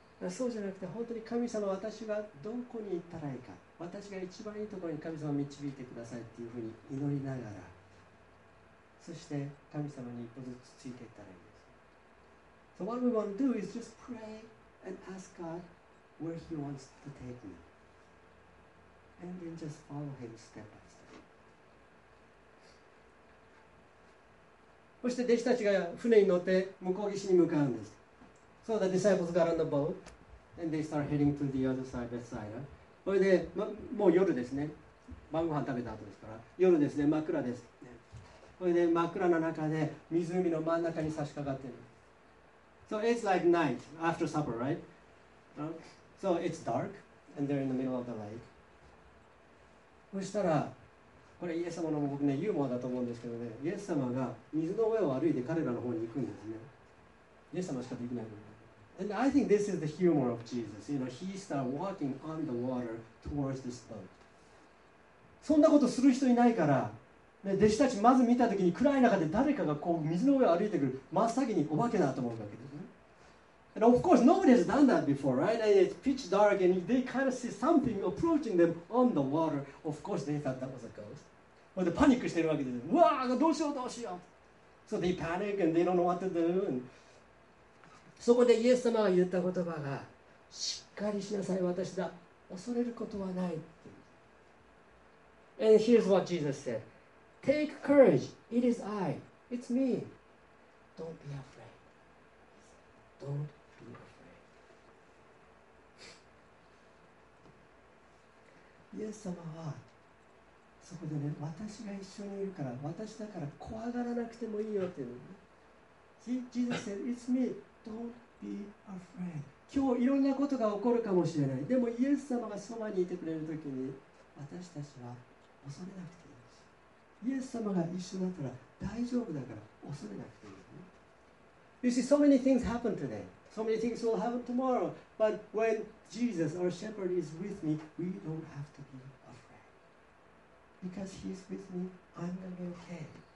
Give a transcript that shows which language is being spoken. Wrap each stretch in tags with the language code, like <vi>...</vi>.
<ja>そうじゃなくて、本当に神様、私はどこに行ったらいいか、私が一番いいところに神様を導いてくださいっていうふうに祈りながら、そして神様に一歩ずつついていったらいいです。</ja> <en>So what we want to do is just pray and ask God where He wants to take me. And then just follow Him step by step.</en> <ja>そして弟子たちが船に乗って向こう岸に向かうんです。</ja> <en>So the disciples got on the boat and they start heading to the other side, Bethsaida.</en> <ja>それで、ま、もう夜ですね。晩ご飯食べた後ですから。夜ですね、真っ暗です。それで真っ暗な中で湖の真ん中に差し掛かっている。</ja> <en>So it's like night after supper, right? So it's dark and they're in the middle of the lake.</en> <ja>そしたら、これイエス様の僕ね、ユーモアだと思うんですけどね、イエス様が水の上を歩いて彼らの方に行くんですね。イエス様しかできない。</ja> <en>And I think this is the humor of Jesus. You know, he started walking on the water towards this boat.</en> <ja>そんなことする人いないから、ね、弟子たちまず見たときに暗い中で誰かがこう水の上を歩いてくる、真っ先にお化けだと思うわけですね。</ja> <en>And of course, nobody has done that before, right? And it's pitch dark, and they kind of see something approaching them on the water. Of course, they thought that was a ghost. But the panic is there. So they panic, and they don't know what to do. And</en> <ja>そこでイエス様が言った言葉が、しっかりしなさい私だ、恐れることはない。</ja> <en>And here's what Jesus said. Take courage, it is I, it's me. Don't be afraid. Don't be afraid.</en> <ja>イエス様はそこでね、私が一緒にいるから、私だから怖がらなくてもいいよっていう、ね。</ja> <en>Jesus said, it's me. Don't be afraid.</en> <ja>今日いろんなことが起こるかもしれない。でもイエス様がそばにいてくれるときに私たちは恐れなくていいんです。イエス様が一緒だったら大丈夫だから恐れなくていい。</ja> <en>You see, so many things happen today. So many things will happen tomorrow. But when Jesus, our shepherd, is with me, we don't have to be afraid. Because he's with me, I'm gonna be okay.</en>